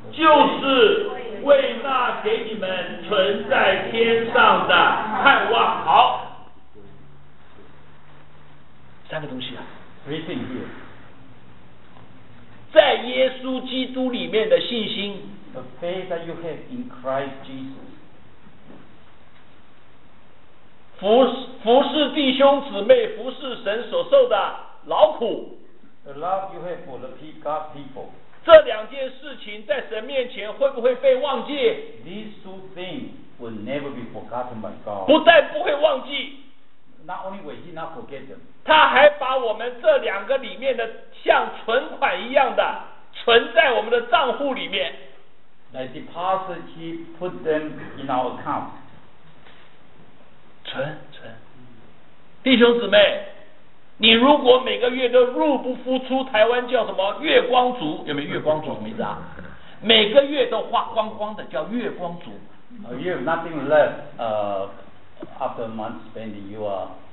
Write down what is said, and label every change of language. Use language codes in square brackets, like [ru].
[zh] 就是为那给你们存在天上的盼望。好，三个东西啊， [en] three things here， [zh] 在耶稣基督里面的信心， [en] the faith that you have in Christ Jesus， [zh] 服侍弟兄姊妹，服侍神所受的劳苦， [en] the love you have for the God people， [zh] 这两件事情在神面前会不会被忘记？ [en] These two things will never be forgotten by God， [zh] 不但不会忘记， [en] not only will he not forget them， [zh] 他还把我们这两个里面的像存款一样的存在我们的账户里面。 [en] Like deposit, he put them in our account. [zh] 存。弟兄姊妹，你如果每个月都入不敷出，台湾叫什么月光族？有没有月光族什么意思啊？每个月都花光光的叫月光族。 [en] You have nothing left. After a month spending, you are.